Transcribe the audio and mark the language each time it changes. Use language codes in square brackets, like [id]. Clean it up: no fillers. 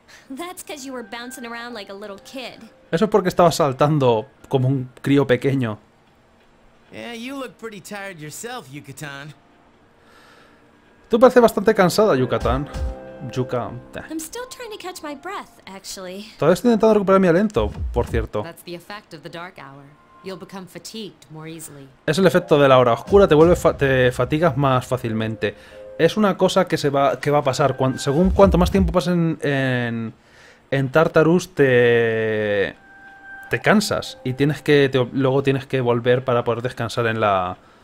[en] That's because you were bouncing around like a little kid. [es] Eso es porque estaba saltando como un crío pequeño. [en] Yeah, you look pretty tired yourself, Yucatán. [es] Tú pareces bastante cansada, Yucatán. [en] Yuka. I'm still trying to catch my breath, actually. [es] Todavía estoy intentando recuperar mi aliento, por cierto. [en] That's the effect of the dark hour. You'll become fatigued more easily. [es] Es el efecto de la hora oscura, te fatigas más fácilmente. Es una cosa que va a pasar. Según cuanto más tiempo pases en Tartarus, te cansas. Y luego tienes que volver para poder descansar en la...